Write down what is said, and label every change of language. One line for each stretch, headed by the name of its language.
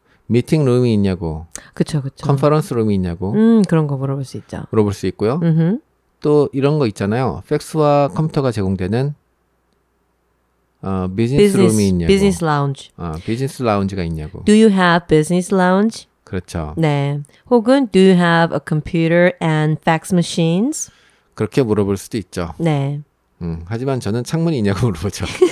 Korean: 미팅 룸이 있냐고. 그렇죠, 그렇죠. 컨퍼런스 룸이 있냐고. 그런 거 물어볼 수 있죠. 물어볼 수 있고요. 또 이런 거 있잖아요. 팩스와 컴퓨터가 제공되는 비즈니스 룸이 있냐고. 비즈니스 라운지. 비즈니스 라운지가 있냐고.
English: Do you have business lounge?
Korean: 그렇죠. 네.
English: 혹은 Do you have a computer and fax machines?
Korean: 그렇게 물어볼 수도 있죠. 네. 하지만 저는 창문이 있냐고 물어보죠.